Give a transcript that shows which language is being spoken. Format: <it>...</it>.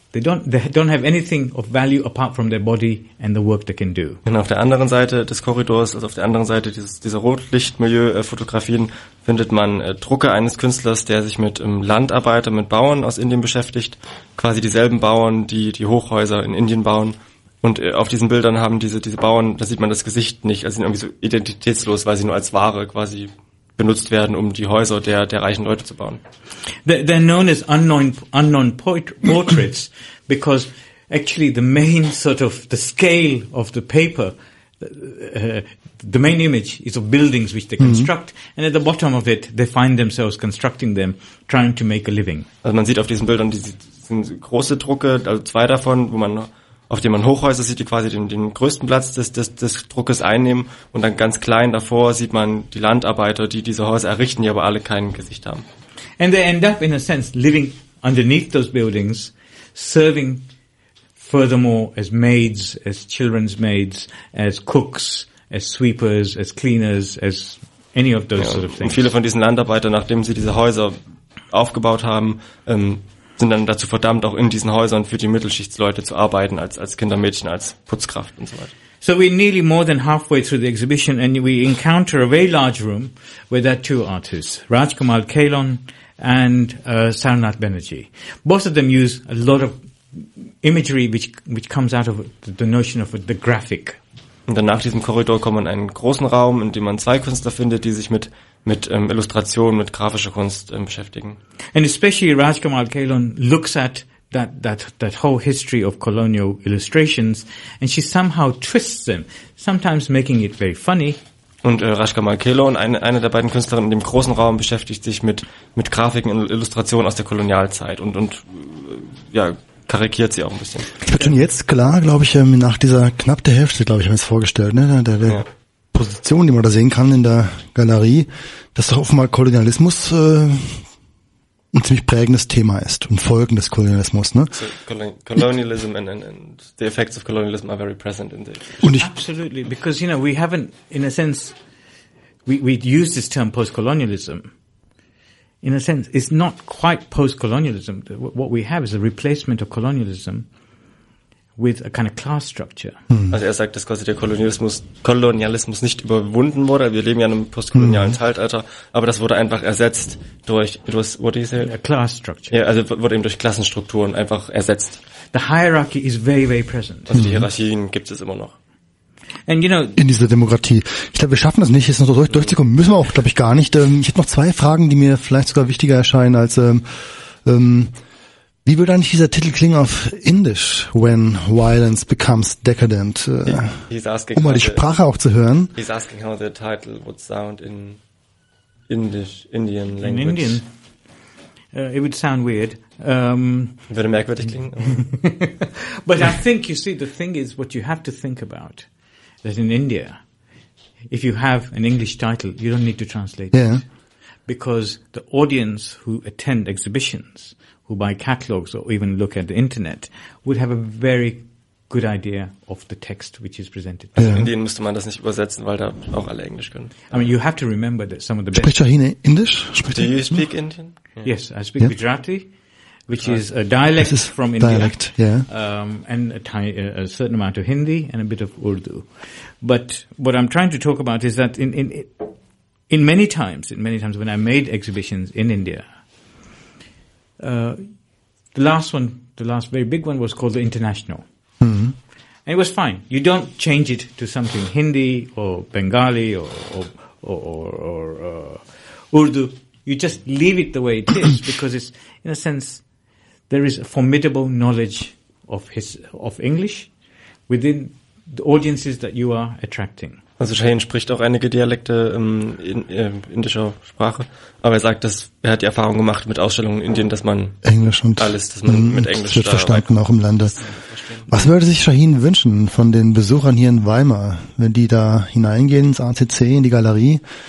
<en>They don't have anything of value apart from their body and the work they can do.</en> <de>Und auf der anderen Seite des Korridors, also auf der anderen Seite dieser Rotlichtmilieu-Fotografien, findet man Drucke eines Künstlers, der sich mit Landarbeiter, mit Bauern aus Indien beschäftigt. Quasi dieselben Bauern, die die Hochhäuser in Indien bauen. Und auf diesen Bildern haben diese Bauern, da sieht man das Gesicht nicht. Also sind irgendwie so identitätslos, weil sie nur als Ware quasi benutzt werden, um die Häuser der reichen Leute zu bauen.</de> <en>They're known as unknown portraits because actually the main sort of the scale of the paper, the main image is of buildings which they construct, and at the bottom of it they find themselves constructing them, trying to make a living.</en> <de>Also man sieht auf diesen Bildern diese große Drucke, also zwei davon, wo man auf dem man Hochhäuser sieht, die quasi den größten Platz des Druckes einnehmen, und dann ganz klein davor sieht man die Landarbeiter, die diese Häuser errichten, die aber alle kein Gesicht haben.</de> <en>And they end up in a sense living underneath those buildings, serving furthermore as maids, as children's maids, as cooks, as sweepers, as cleaners, as any of those sort of things.</en> <de>Und viele von diesen Landarbeitern, nachdem sie diese Häuser aufgebaut haben, sind dann dazu verdammt, auch in diesen Häusern für die Mittelschichtsleute zu arbeiten, als Kindermädchen, als Putzkraft und so weiter.</de> <en>So we're nearly more than halfway through the exhibition and we encounter a very large room where there are two artists, Rajkumar Kalon and Sarnath Banerjee. Both of them use a lot of imagery which comes out of the notion of the graphic.</en> <de>Und dann nach diesem Korridor kommt man in einen großen Raum, in dem man zwei Künstler findet, die sich mit Illustration, mit grafischer Kunst beschäftigen.</de> <en>And especially Rajkumar Kalon looks at that whole history of colonial illustrations and she somehow twists them, sometimes making it very funny.</en> <de>Und Rajkumar Kalon, eine der beiden Künstlerinnen in dem großen Raum, beschäftigt sich mit Grafiken und Illustrationen aus der Kolonialzeit und karikiert sie auch ein bisschen. Ich bin jetzt klar, glaube ich, nach dieser knapp der Hälfte, glaube ich, haben wir es vorgestellt, ne? Der Position, die man da sehen kann in der Galerie, dass doch offenbar Kolonialismus ein ziemlich prägendes Thema ist und Folgen des Kolonialismus. Ne?</de> <en>So, colonialism and the effects of colonialism are very present in the...</en> <de>Und ich,</de> <en>absolutely, because, you know, we haven't, in a sense, we use this term post-colonialism. In a sense, it's not quite post-colonialism. What we have is a replacement of colonialism with a kind of class structure.</en> <de>Also er sagt, dass quasi der Kolonialismus nicht überwunden wurde. Wir leben ja in einem postkolonialen Zeitalter. Aber das wurde einfach ersetzt durch,</de> <en>what did you say? A class structure.</en> <de>Ja, also wurde eben durch Klassenstrukturen einfach ersetzt.</de> <en>The hierarchy is very, very present.</en> <de>Also die Hierarchien gibt es immer noch.</de> <en>And you know,</en> <de>in dieser Demokratie. Ich glaube, wir schaffen das nicht, jetzt noch so durchzukommen. Müssen wir auch, glaube ich, gar nicht. Ich hätte noch zwei Fragen, die mir vielleicht sogar wichtiger erscheinen als wie würde eigentlich dieser Titel klingen auf Indisch? When Violence Becomes Decadent. Um mal die Sprache auch zu hören.</de> <en>He's asking how the title would sound in Indisch, Indian language. In Indian? It would sound weird.</en> <de>Würde merkwürdig klingen.</de> <en>But I think, you see, the thing is what you have to think about. That in India, if you have an English title, you don't need to translate it. Because the audience who attend exhibitions, who buy catalogs or even look at the internet, would have a very good idea of the text which is presented.</en> <de>Also in Indien müsste man das nicht übersetzen, weil da auch alle Englisch können.</de> <en>I mean, you have to remember that some of the</en> <de>best... Sprich Shahin Indisch?</de> <en>Do you speak Indian? Yes, I speak Gujarati. Which is a dialect is from India, dialect, yeah. And a certain amount of Hindi and a bit of Urdu. But what I'm trying to talk about is that in many times when I made exhibitions in India, the last very big one was called the International. Mm-hmm. And it was fine. You don't change it to something Hindi or Bengali or Urdu. You just leave it the way it is because it's, in a sense... There is a formidable knowledge of English within the audiences that you are attracting.</en> <de>Also Shahin spricht auch einige Dialekte indischer Sprache, aber er sagt, dass er hat die Erfahrung gemacht mit Ausstellungen in Indien, dass man Englisch und alles, dass man mit Englisch wird verstanden auch im Lande. Was würde sich Shahin wünschen von den Besuchern hier in Weimar, wenn die da hineingehen ins ACC, in die Galerie?</de>